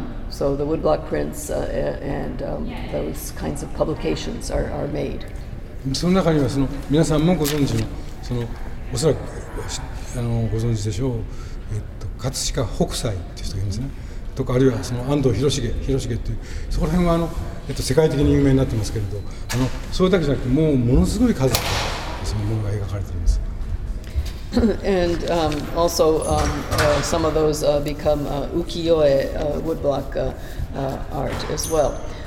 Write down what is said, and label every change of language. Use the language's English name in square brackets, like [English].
[English] So the woodblock prints and those kinds of publications are made. [Japanese] その中には皆さんもご存知の、おそらくご存知でしょう、葛飾北斎って人がいるんですね。とかあるいは安藤広重っていう、そこら辺は世界的に有名になってますけれど、それだけじゃなくて、もうものすごい数ってそのものが描かれています。 [English] And also some of those become ukiyo-e woodblock art as well.